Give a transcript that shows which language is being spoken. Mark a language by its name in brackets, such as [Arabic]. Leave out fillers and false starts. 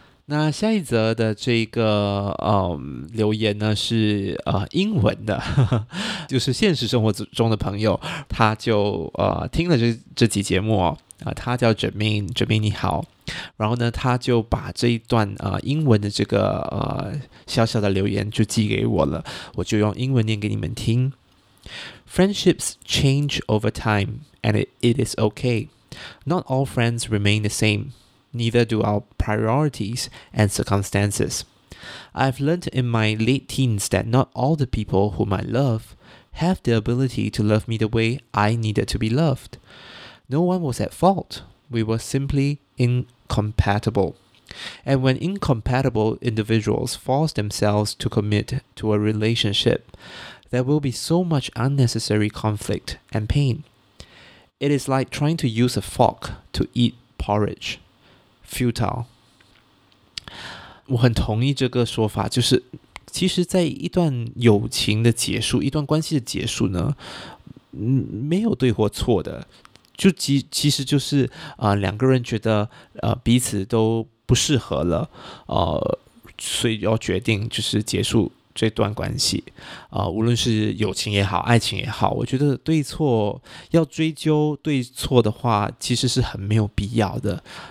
[Chinese] 那下一则的这个留言呢是英文的，就是现实生活中的朋友，他就听了这集节目他叫 Jermaine 你好，然后呢他就把这一段英文的这个小小的留言就寄给我了，我就用英文念给你们听。 [English] Friendships change over time and it is okay. Not all friends remain the same. Neither do our priorities and circumstances. I've learned in my late teens that not all the people whom I love have the ability to love me the way I needed to be loved. No one was at fault. We were simply incompatible. And when incompatible individuals force themselves to commit to a relationship, there will be so much unnecessary conflict and pain. It is like trying to use a fork to eat porridge. Futile. [Chinese] 我很同意这个说法，就是其实在一段友情的结束，一段关系的结束呢，没有对或错的，就其实就是两个人觉得彼此都不适合了，所以要决定就是结束这段关系，无论是友情也好，爱情也好，我觉得对错要追究对错的话，其实是很没有必要的。